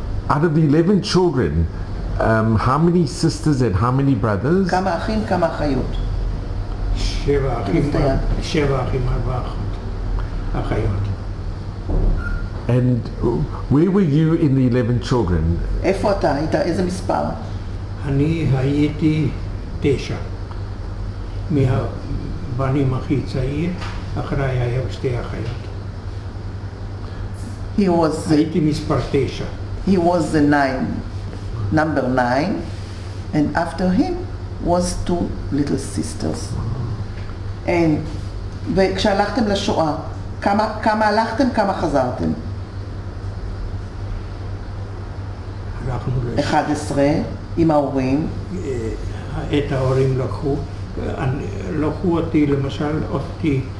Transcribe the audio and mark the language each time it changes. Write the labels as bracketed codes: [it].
[en] Out of the 11 children, how many sisters and how many brothers? [he] כמה אחים, כמה אחיות. [en] And where were you in the 11 children? [he] איפה אתה? היית איזה מספר? אני הייתי 9 מהבנים הכי צעיר, אחרי היו שתי אחיות. הייתי מספר 9. [en] He was the 9, number 9, and after him was 2 little sisters. [he] אין. וכשהלכתם לשואה, כמה הלכתם, כמה חזרתם? הלכנו ל... 11, עם ההורים. את ההורים לקחו. לקחו אותי, למשל, אותי